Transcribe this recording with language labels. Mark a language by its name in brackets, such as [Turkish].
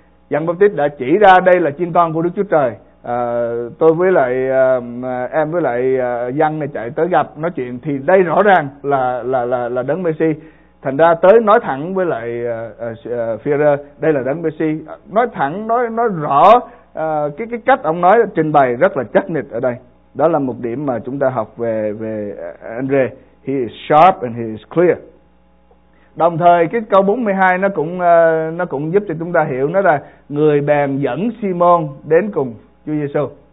[Vietnamese] Dân báp-tít đã chỉ ra đây là chiên con của Đức Chúa Trời. Tôi với lại em với lại dân này chạy tới gặp nói chuyện thì đây rõ ràng là Đấng Mê-si. Thành ra tới nói thẳng với lại Phi-e-rơ, đây là Đấng Mê-si, nói thẳng, nói rõ, cái cách ông nói trình bày rất là chắc nịch ở đây. Đó là một điểm mà chúng ta học về Andre. [English] He is sharp and he is clear. [Vietnamese] Đồng thời cái câu 42 nó cũng giúp cho chúng ta hiểu, nó là người bèn dẫn Simon đến cùng Chúa Giêsu.